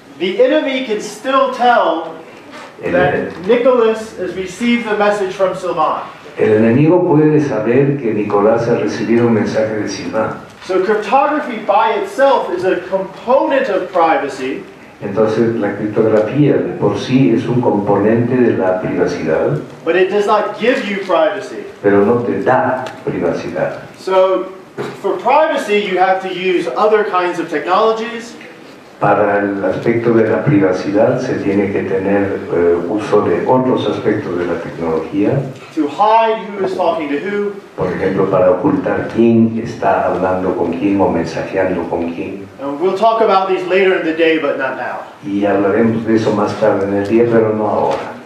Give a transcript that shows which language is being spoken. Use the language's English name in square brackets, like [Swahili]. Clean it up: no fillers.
[English] The enemy can still tell that Nicholas has received the message from Sylvan. [Spanish] El enemigo puede saber que Nicolás ha recibido un mensaje de Sylvan. [English] So cryptography by itself is a component of privacy. [Spanish] Entonces, la criptografía de por sí es un componente de la privacidad. [English] But it does not give you privacy. [Spanish] Pero no te da privacidad. [English] So, for privacy, you have to use other kinds of technologies. [Spanish] Para el aspecto de la privacidad, se tiene que tener uso de otros aspectos de la tecnología. [English] To hide who is talking to who. [Spanish] Por ejemplo, para ocultar quién está hablando con quién o mensajeando con quién. [English] And we'll talk about these later in the day, but not now. [Spanish] Y hablaremos de eso más tarde en el día, pero no ahora.